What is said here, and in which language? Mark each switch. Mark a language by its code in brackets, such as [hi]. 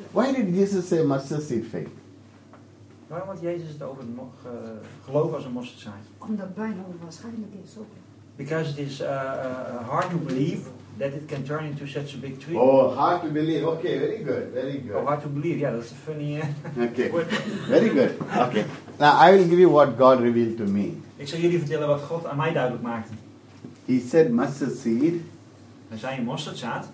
[en] Why did Jesus say mustard seed faith? [nl] Waarom had Jezus het over geloof als een mosterdzaadje? Omdat bijna onwaarschijnlijk is. [en] Okay. Because it is hard to believe that it can turn into such a big tree. Oh, hard to believe. Okay, very good, very good. Oh, hard to believe. Yeah, that's a funny. Okay. Very good. Okay. Now I will give you what God revealed to me. [nl] Ik zal jullie vertellen wat God aan mij duidelijk maakte. [en] He said mustard seed. [nl] We zijn een mosterdzaad.